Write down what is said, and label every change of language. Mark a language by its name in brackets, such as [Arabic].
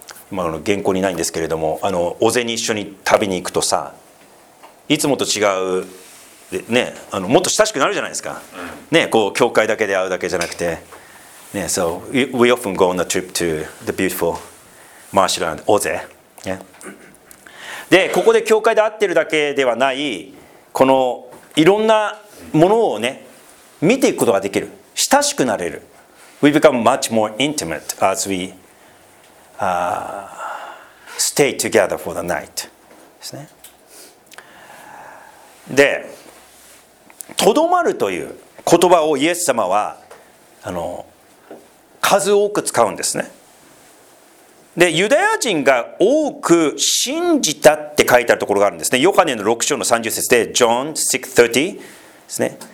[Japanese] まあ、原稿にないんですけれども、お膳に一緒に旅に行くとさ、いつもと違うね、もっと親しくなるじゃないですか、ね、こう教会だけで会うだけじゃなくて、ね、 [English] So we often go on a trip to the beautiful marshland [Japanese] オゼ、ね、でここで教会で会ってるだけではない、このいろんなものをね見ていくことができる、親しくなれる。 [English] We become much more intimate as we stay together for the night [Japanese] ですね。でとどまるという言葉をイエス様は数多く使うんですね。でユダヤ人が多く信じたって書いてあるところがあるんですね。ヨハネの6章の30節で John 6:30 ですね。